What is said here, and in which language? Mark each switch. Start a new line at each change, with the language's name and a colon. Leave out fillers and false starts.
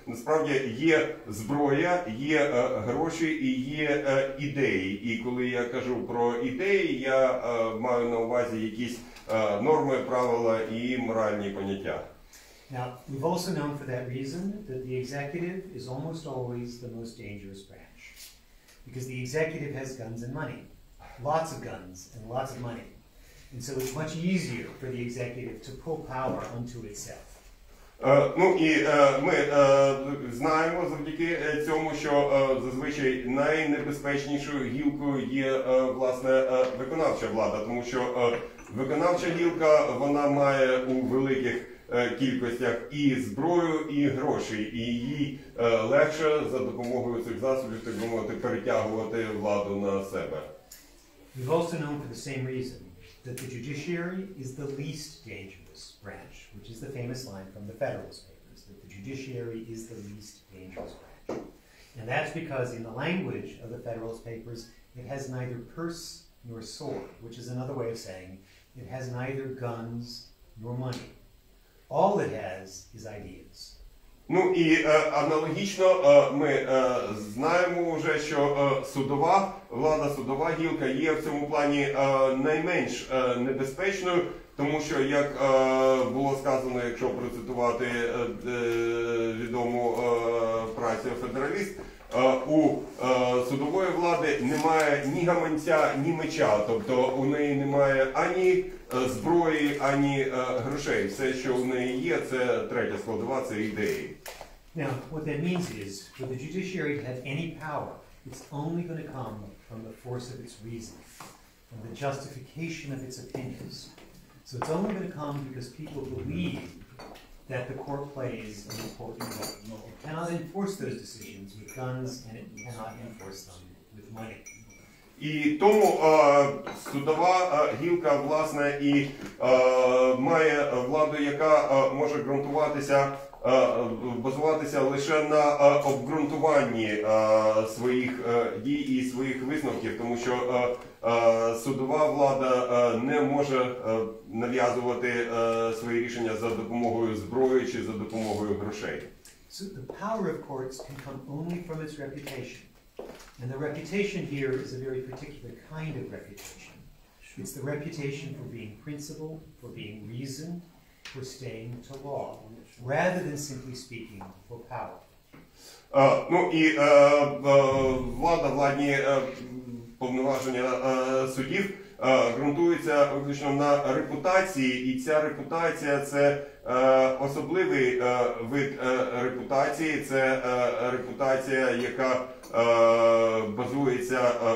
Ukrainian: Насправді є зброя, є гроші і є ідеї. І коли я кажу про ідеї, я маю на увазі якісь норми, правила і моральні поняття.
English: Now, we've also known for that reason that the executive is almost always the most dangerous branch. Because the executive has guns and money. Lots of guns and lots of money. And so it's much easier for the executive to pull power onto itself.
Ukrainian: Ну і ми знаємо завдяки цьому, що зазвичай найнебезпечнішою гілкою є власне виконавча влада. Тому що виконавча гілка, вона має у великих кількостях і зброю, і гроші, і її легше за допомогою цих засобів, так би мовити, перетягувати владу на себе.
English: We've also known for the same reason that the judiciary is the least dangerous branch, which is the famous line from the Federalist Papers, that the judiciary is the least dangerous branch. And that's because in the language of the Federalist Papers, it has neither purse nor sword, which is another way of saying it has neither guns nor money. All it has is ideas.
Ukrainian: Ну і аналогічно ми знаємо вже, що судова, влада судова гілка є в цьому плані найменш небезпечною, тому що, як було сказано, якщо процитувати відому працю «Федералист», у судової влади немає ні гаманця, ні меча, тобто у неї немає ані зброї, ані грошей. Все, що у неї є, це третя складова, це ідеї.
English: Now, what that means is, for the judiciary to have any power, it's only going to come from the force of its reason, from the justification of its opinions. So it's only going to come because people believe that the court plays an important role. It cannot enforce those decisions with guns, and it cannot enforce them with money.
Ukrainian: І тому судова гілка, власне, і має владу, яка може ґрунтуватися, базуватися лише на обґрунтуванні своїх дій і своїх висновків, тому що судова влада не може нав'язувати свої рішення за допомогою зброї чи за допомогою грошей.
English: So the power of courts can come only from its reputation. And the reputation here is a very particular kind of reputation. It's the reputation for being principled, for being reasoned, for staying to law, rather than simply speaking for power.
Ukrainian: Влада, владні повноваження судів ґрунтуються виключно на репутації, і ця репутація – це особливий вид репутації, це репутація, яка базується